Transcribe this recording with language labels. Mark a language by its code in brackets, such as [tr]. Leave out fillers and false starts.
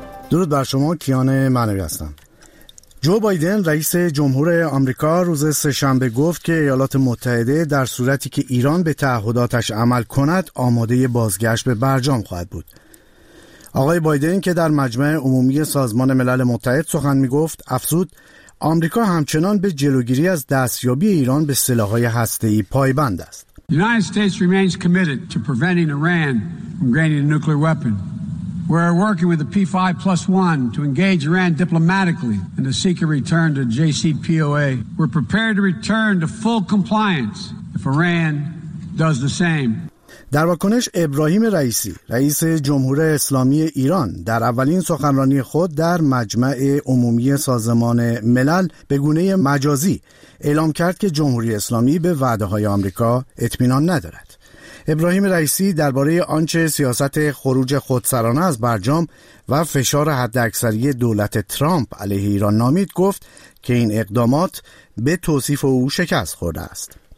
[fa] درود بر شما، کیان معنوی هستم. جو بایدن رئیس جمهور آمریکا روز سه‌شنبه گفت که ایالات متحده در صورتی که ایران به تعهداتش عمل کند آماده بازگشت به برجام خواهد بود. آقای بایدن که در مجمع عمومی سازمان ملل متحد سخن می گفت افزود آمریکا همچنان به جلوگیری از دستیابی ایران به سلاح‌های هسته‌ای پایبند است. [en] United States remains committed to preventing Iran from gaining a nuclear weapon. We're working with the P5+1 to engage Iran diplomatically in the seek a return to JCPOA. We're prepared to return to full compliance if Iran does the same. [fa] در واکنش ابراهیم رئیسی، رئیس جمهور اسلامی ایران، در اولین سخنرانی خود در مجمع عمومی سازمان ملل به گونه مجازی اعلام کرد که جمهوری اسلامی به وعده‌های آمریکا اطمینان ندارد. ابراهیم رئیسی درباره آنچه سیاست خروج خودسرانه از برجام و فشار حداکثری دولت ترامپ علیه ایران نامید گفت که این اقدامات به توصیف او شکست خورده است.